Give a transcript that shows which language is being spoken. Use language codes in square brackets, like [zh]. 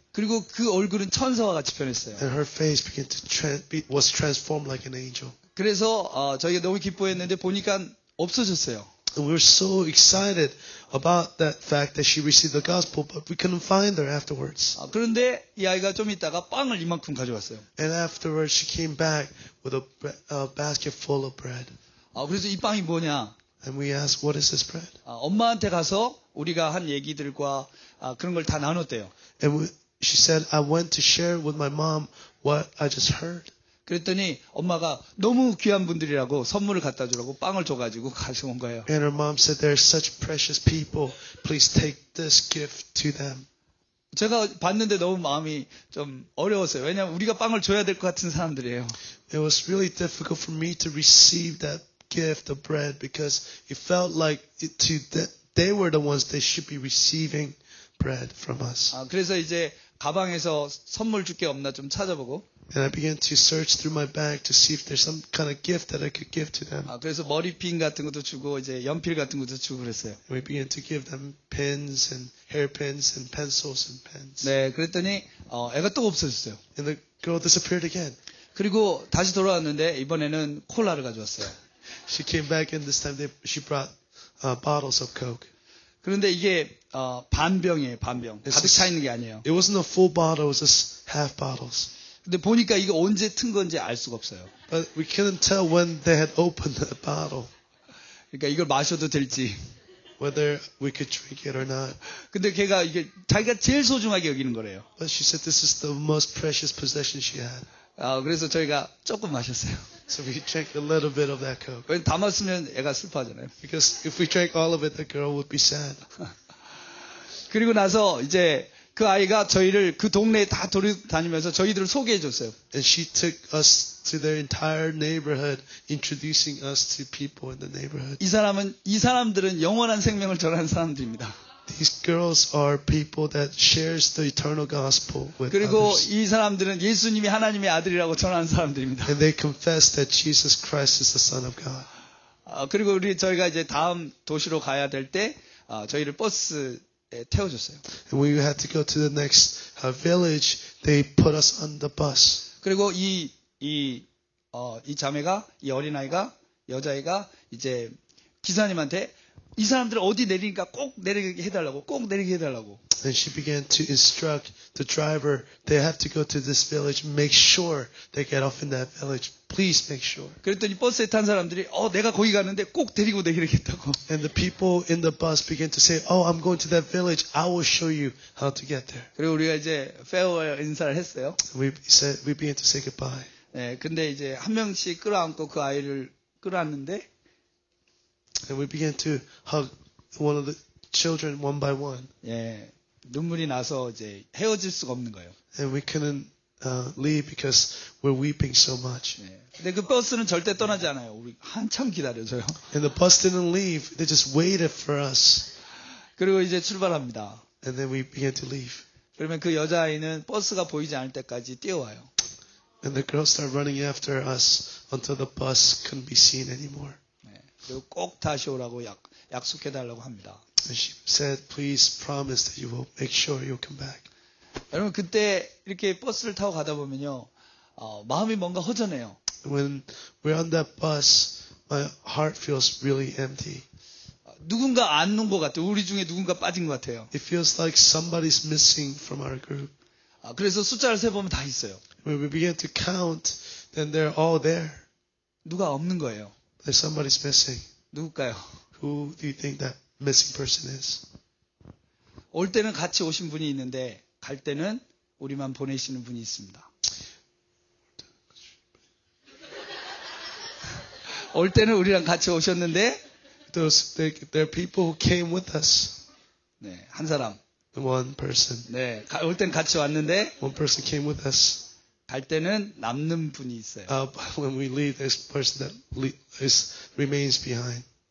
[ko] 그리고 그 얼굴은 천사와 같이 변했어요. [en] And her face began to was transformed like an angel. [ko] 그래서 저희가 너무 기뻐했는데 보니까 없어졌어요. [en] And we were so excited about that fact that she received the gospel, but we couldn't find her afterwards. [ko] 아, 그런데 이 아이가 좀 있다가 빵을 이만큼 가져왔어요. [en] And afterwards she came back with a basket full of bread. [ko] 아, 그래서 이 빵이 뭐냐? [en] And we asked, what is this bread? [ko] 아, 엄마한테 가서 우리가 한 얘기들과 아, 그런 걸 다 나눴대요. [en] And she said, I went to share with my mom what I just heard. [ko] 그랬더니 엄마가 너무 귀한 분들이라고 선물을 갖다 주라고 빵을 줘가지고 가져온 거예요. [en] And her mom said, they're such precious people. Please take this gift to them. [ko] 제가 봤는데 너무 마음이 좀 어려웠어요. 왜냐하면 우리가 빵을 줘야 될 것 같은 사람들이에요. [en] It was really difficult for me to receive that gift of bread because it felt like they were the ones that should be receiving bread from us. [ko] 아, 그래서 이제 가방에서 선물 줄 게 없나 좀 찾아보고. [en] And I began to search through my bag to see if there's some kind of gift that I could give to them. [ko] 아, 그래서 머리핀 같은 것도 주고 이제 연필 같은 것도 주고 그랬어요. [en] And we began to give them pins and hairpins and pencils and pens. [ko] 네, 그랬더니 애가 또 없어졌어요. [en] And the girl disappeared again. [ko] 그리고 다시 돌아왔는데 이번에는 콜라를 가져왔어요. [en] She came back and this time she brought bottles of Coke. [ko] 그런데 이게 반병이에요, 반병. 가득 차 있는 게 아니에요. [en] It wasn't a full bottle, it was just half bottles. [ko] 근데 보니까 이거 언제 튼 건지 알 수가 없어요. [en] But we couldn't tell when they had opened the bottle. [ko] 그러니까 이걸 마셔도 될지. [en] Whether we could drink it or not. [ko] 근데 걔가 이게 자기가 제일 소중하게 여기는 거래요. [en] But she said this is the most precious possession she had. [ko] 아, 그래서 저희가 조금 마셨어요. [en] So we drank a little bit of that Coke. [ko] 왜 다 마시면 애가 슬퍼하잖아요. [en] Because if we drank all of it, the girl would be sad. [ko] 그리고 나서 이제 그 아이가 저희를 그 동네에 다 돌아다니면서 저희들을 소개해 줬어요. [en] And she took us to their entire neighborhood, introducing us to people in the neighborhood. [ko] 이 사람들은 영원한 생명을 전하는 사람들입니다. [en] These girls are people that shares the eternal gospel with others. [ko] 그리고 이 사람들은 예수님이 하나님의 아들이라고 전하는 사람들입니다. [en] And they confess that Jesus Christ is the Son of God. [ko] 그리고 저희가 이제 다음 도시로 가야 될 때 저희를 버스 예, 태워줬어요. [en] And when we had to go to the next village, they put us on the bus. [ko] 그리고 이 자매가 이 어린아이가 여자아이가 이제 기사님한테 이 사람들 어디 내리니까 꼭 내리게 해달라고 꼭 내리게 해달라고. [en] And she began to instruct the driver, they have to go to this village. Make sure they get off in that village. Please make sure. [ko] 그랬더니 버스에 탄 사람들이 내가 거기 가는데 꼭 데리고 내리겠다고. [en] And the people in the bus began to say, oh, I'm going to that village. I will show you how to get there. [ko] 그리고 우리가 이제 farewell 인사를 했어요. [en] We began to say goodbye. [ko] 네, 근데 이제 한 명씩 끌어안고 그 아이를 끌어안는데. [en] And we began to hug one of the children one by one. [ko] 예, 눈물이 나서 이제 헤어질 수가 없는 거예요. [en] And we couldn't leave because we're weeping so much. [ko] 네. 근데 그 버스는 절대 떠나지 않아요. 우리 한참 기다려줘요. [en] And the bus didn't leave. They just waited for us. [ko] 그리고 이제 출발합니다. [en] And then we began to leave. [ko] 그러면 그 여자아이는 버스가 보이지 않을 때까지 뛰어와요. [en] And the girl started running after us until the bus couldn't be seen anymore. [ko] 네. 그리고 꼭 다시 오라고 약속해달라고 합니다. [en] And she said, please promise that you will make sure you'll come back. [ko] 여러분 그때 이렇게 버스를 타고 가다 보면요, 마음이 뭔가 허전해요. [en] When we're on that bus, my heart feels really empty. [ko] 누군가 안 온 것 같아요. 우리 중에 누군가 빠진 것 같아요. [en] It feels like somebody's missing from our group. [ko] 그래서 숫자를 세보면 다 있어요. [en] When we begin to count, then they're all there. [ko] 누가 없는 거예요? [en] That somebody's missing. [ko] 누굴까요? [en] Who do you think that missing person is? [ko] 올 때는 같이 오신 분이 있는데 갈 때는 우리만 보내시는 분이 있습니다. 올 때는 우리랑 같이 오셨는데 [en] Those, there are people who came with us. [ko] 네, 한 사람. [en] One person. [ko] 네, 올 땐 같이 왔는데. [en] One person came with us. [ko] 갈 때는 남는 분이 있어요. [en] When we leave, there's a person that remains behind.